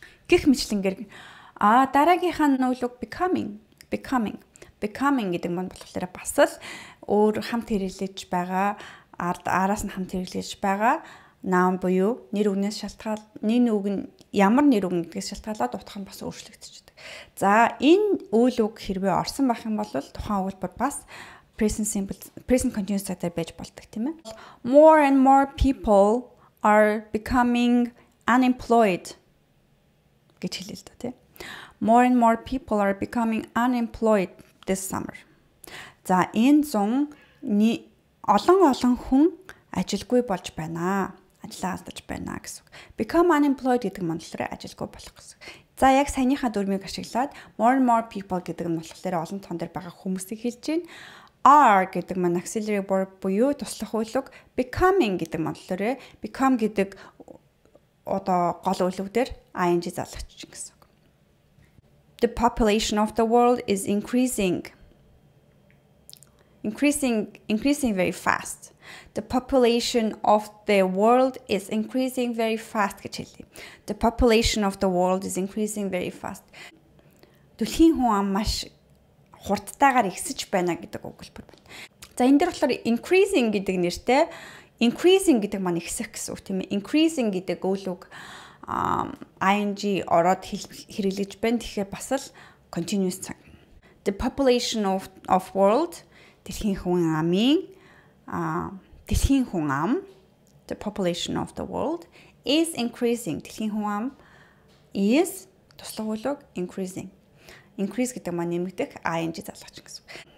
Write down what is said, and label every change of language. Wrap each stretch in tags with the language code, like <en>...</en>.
<mn>Гэх мэтлэнгэр дараагийнхаа нүглэг becoming гэдэг нь болохоор бас л өөр хамт хэрэглэж байгаа араас нь хамт хэрэглэж байгаа noun буюу нэр үгнээс шалтгаал нэг үг нь ямар нэр үг гэдгээс шалтгаалаад утга нь бас өөрчлөгдчихдэг. За энэ үйл үг хэрвээ орсон байх юм бол тухайн үгэлбэр бас present continuous цагаар байж болдог тийм ээ.</mn> <en>More and more people are becoming unemployed</en> <mn>гэж хэлээ л дээ тийм.</mn> <en>More and more people are becoming unemployed this summer.</en> <mn>За энэ зун олон хүн ажилгүй болж байна. Ажлаа алдаж байна гэсэн.</mn> <en>Become unemployed</en> <mn>гэдэг нь болохоор ажилгүй болох гэсэн. За яг саяныхаа дүрмийг ашиглаад</mn> <en>more and more people</en> <mn>гэдэг нь болохоор олон тон дээр байгаа хүмүүсийг хэлж байна. Are гэдэг нь auxiliary verb буюу туслах үйл үг. Becoming гэдэг нь болохоор become гэдэг одоо гол үйл үг дээр ing залгачихсан гэсэн.</mn> <en>The population of the world is increasing. Increasing very fast. The population of the world is increasing very fast</en> <mn>гэж хэлээ.</mn> <en>The population of the world is increasing very fast.</en> <mn>Дэлхийн хүн ам маш хурдтайгаар ихсэж байна гэдэг үг хэлбэр байна. За энэ дээр болохоор increasing гэдэг нэртэй increasing гэдэг мань ихсэх гэсэн үг тийм ээ. Increasing гэдэг үг ing ороод хэрэглэж байна. Тэгэхээр бас л continuous цаг.</mn> <en>The population of world</en> <mn>дэлхийн хүн амын дэлхийн хүн ам</mn> <en>the population of the world is increasing</en> <mn>дэлхийн хүн ам is туслах үйл үг increase гэдэг маань нэмэгдэх ing залгач гэсэн.</mn>